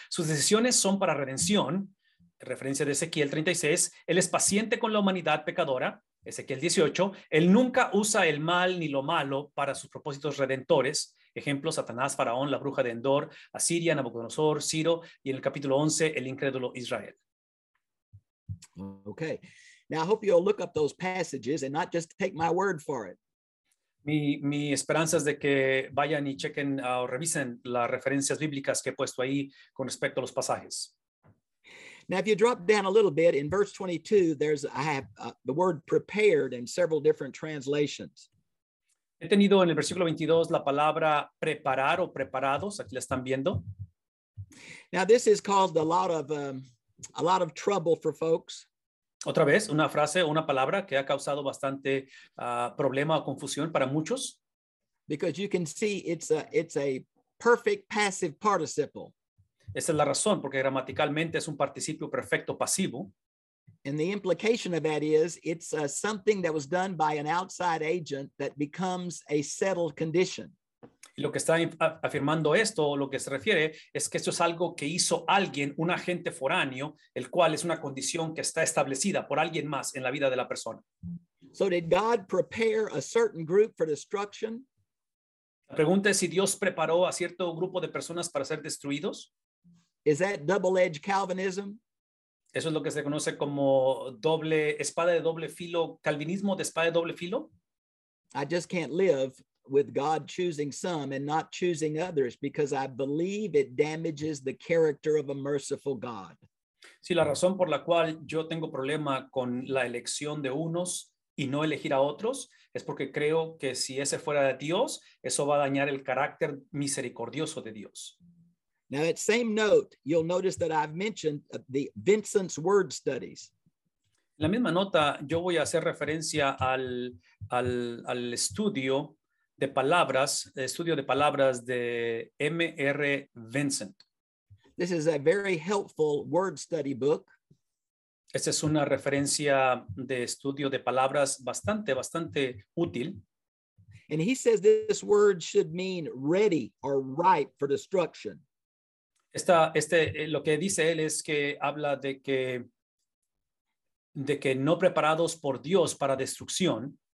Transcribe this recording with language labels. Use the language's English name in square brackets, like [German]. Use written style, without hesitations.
[Spanish] Sus decisiones son para redención, referencia de Ezequiel 36. Él es paciente con la humanidad pecadora, Ezequiel 18. Él nunca usa el mal ni lo malo para sus propósitos redentores. Ejemplo, Satanás, Faraón, la bruja de Endor, Asiria, Nabucodonosor, Ciro, y en el capítulo 11, el incrédulo Israel. [English] Okay. Now, I hope you'll look up those passages and not just take my word for it. [Spanish] Mi esperanza es de que vayan y chequen o revisen las referencias bíblicas que he puesto ahí con respecto a los pasajes. [English] Now, if you drop down a little bit, in verse 22, I have the word prepared in several different translations. [Spanish] He tenido en el versículo 22 la palabra preparar o preparados. Aquí la están viendo. [English] Now, this has caused a lot of trouble for folks. [Spanish] Otra vez, una frase o una palabra que ha causado bastante problema o confusión para muchos. [English] Because you can see it's a perfect passive participle. [Spanish] Esa es la razón, porque gramaticalmente es un participio perfecto pasivo. [English] And the implication of that is it's something that was done by an outside agent that becomes a settled condition. [Spanish] Lo que está afirmando esto, lo que se refiere, es que esto es algo que hizo alguien, un agente foráneo, el cual es una condición que está establecida por alguien más en la vida de la persona. [English] So did God prepare a certain group for destruction? [Spanish] La pregunta es si Dios preparó a cierto grupo de personas para ser destruidos. [English] Is that double-edged Calvinism? [Spanish] Eso es lo que se conoce como doble espada de doble filo, calvinismo de espada de doble filo. [English] I just can't live with God choosing some and not choosing others because I believe it damages the character of a merciful God. [Spanish] Sí, la razón por la cual yo tengo problema con la elección de unos y no elegir a otros es porque creo que si ese fuera de Dios, eso va a dañar el carácter misericordioso de Dios. [English] Now, that same note, you'll notice that I've mentioned the Vincent's word studies. [Spanish] La misma nota, yo voy a hacer referencia al estudio de palabras de M.R. Vincent. [English] This is a very helpful word study book. [Spanish] Esta es una referencia de estudio de palabras bastante, bastante útil. [English] And he says this word should mean ready or ripe for destruction. [Spanish] Lo que dice él es que habla de que no preparados por Dios para destrucción.